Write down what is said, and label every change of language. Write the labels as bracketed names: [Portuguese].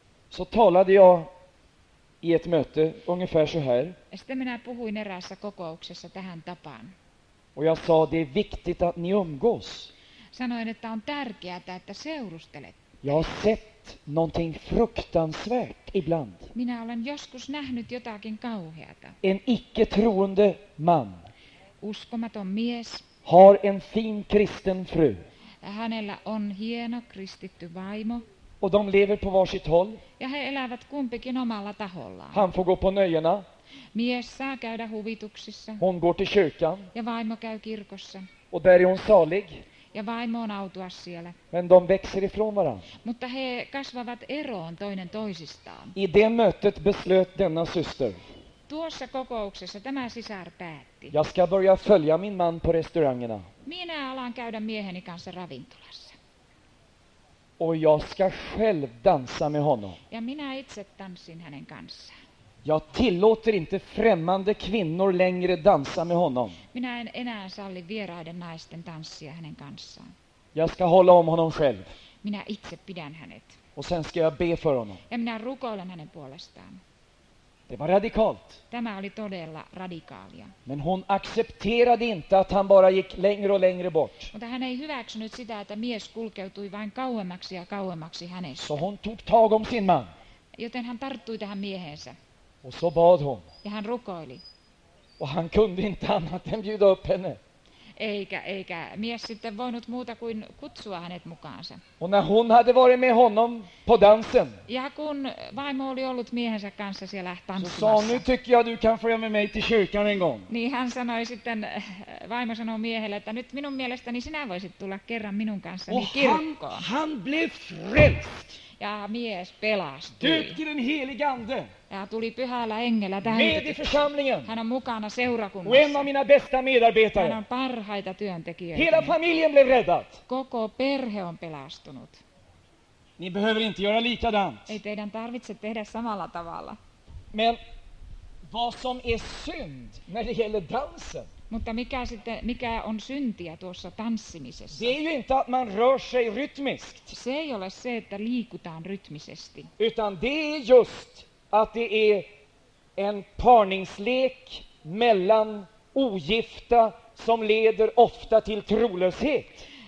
[Swedish] Så talade jag i ett möte ungefär så här. [Finnish] Sitten minä puhuin eräässä kokouksessa tähän tapaan. [Swedish] Och jag sa det är viktigt att ni umgås. [Finnish] Sanoin, että on tärkeää, että seurustelet. [Swedish] Jag har sett någonting fruktansvärt ibland. [Finnish] Minä olen joskus nähnyt jotakin kauheata. [Swedish] En icke-troende man. [Finnish] Uskomaton mies. [Swedish] Har en fin kristen fru. [Finnish] Hänellä on hieno kristitty vaimo. [Swedish] Och de lever på varsitt håll. [Finnish] Ja he elävät kumpikin omalla tahollaan. [Swedish] Han får gå på nöjena. [Finnish] Mies saa käydä huvituksissa. [Swedish] Hon går till kyrkan. [Finnish] Ja vaimo käy kirkossa. [Swedish] Och där är hon salig. [Finnish] Ja vaimo on autuas siellä. [Swedish] Men de växer ifrån varann. [Finnish] Mutta he kasvavat eroon toinen toisistaan. [Swedish] I det mötet beslöt denna syster. [Finnish] Tuossa kokouksessa tämä sisar päätti. [Swedish] Jag ska börja följa min man på restaurangerna. [Finnish] Minä alan käydä mieheni kanssa ravintolassa. [Swedish] Och jag ska själv dansa med honom. [Finnish] Ja minä itse tanssin hänen kanssaan. [Swedish] Jag tillåter inte främmande kvinnor längre dansa med honom. [Finnish] Minä en enää salli vieraiden naisten tanssia hänen kanssaan. [Swedish] Jag ska hålla om honom själv. [Finnish] Minä itse pidän hänet. [Swedish] Och sen ska jag be för honom. [Finnish] Ja minä rukoilen hänen puolestaan. [Swedish] Det var radikalt. [Finnish] Tämä oli todella radikaalia. [Swedish] Men hon accepterade inte att han bara gick längre och längre bort. [Finnish] Mutta hän ei hyväksynyt sitä, että mies kulkeutui vain kauemmaksi ja kauemmaksi hänestä. [Swedish] Så hon tog tag om sin man. [Finnish] Joten hän tarttui tähän mieheensä. [Swedish] Och så bad hon. [Finnish] Ja hän rukoili. [Swedish] Och han kunde inte annat än bjuda upp henne. [Finnish] Eikä mies sitten voinut muuta kuin kutsua hänet mukaansa. [Swedish] Och när hon hade varit med honom på dansen. [Finnish] Ja kun vaimo oli ollut miehensä kanssa siellä tanssimassa. [Swedish] Så sa, nu tycker jag du kan följa med mig till kyrkan en gång. [Finnish] Niin hän sanoi sitten, vaimo sanoi miehelle, että nyt minun mielestäni sinä voisit tulla kerran minun kanssa kirkkoon. [Swedish] Och han blev frälst. [Finnish] Ja mies pelastui. [Swedish] Döpt i den helige ande. [Finnish] Ja tuli pyhällä hengellä tähän. [Swedish] Med i församlingen. [Finnish] Hän on mukana seurakunnassa. [Swedish] Och en av mina bästa medarbetare. [Finnish] Hän on parhaita työntekijöitä. [Swedish] Hela familjen blev räddad. [Finnish] Koko perhe on pelastunut. [Swedish] Ni behöver inte göra likadant. [Finnish] Ei teidän tarvitse tehdä samalla tavalla. [Swedish] Men vad som är synd när det gäller dansen. [Finnish] Mutta mikä sitten, mikä on syntiä tuossa tanssimisessa? [Swedish] Det är ju inte att man rör sig rytmiskt. [Finnish] Se ei ole se, että liikutaan rytmisesti. [Swedish] Utan det är just att det är en parningslek mellan ogifta som leder ofta till trolöshet.